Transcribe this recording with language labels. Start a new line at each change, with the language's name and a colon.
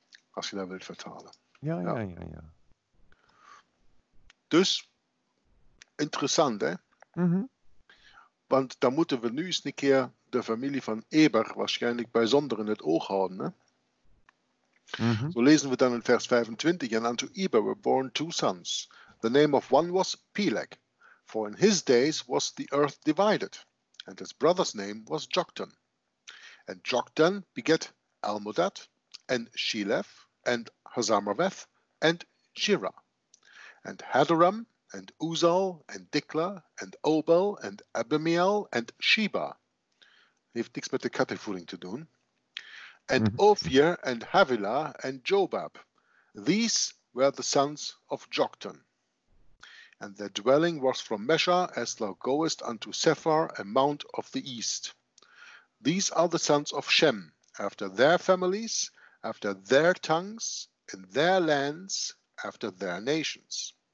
Dutch: Als je dat wilt vertalen. Ja. Dus, interessant, hè? Mm-hmm. Want dan moeten we nu eens een keer de familie van Eber waarschijnlijk bijzonder in het oog houden, hè? Mm-hmm. Zo lezen we dan in vers 25.
English: En unto Eber were born two sons. The name of one was Peleg, for in his days was the earth divided, and his brother's name was Joktan. And Joktan begat Almodad, and Shelef, and Hazarmaveth, and Jira, and Hadoram, and Uzal, and Dikla, and Obel, and Abimael, and Sheba.
Dutch: Heeft niks met de kattenvoering te doen.
English: And Ophir, and Havilah, and Jobab. These were the sons of Joktan. And their dwelling was from Mesha, as thou goest unto Sephar, a mount of the east. These are the sons of Shem, after their families, after their tongues, in their lands, after their nations.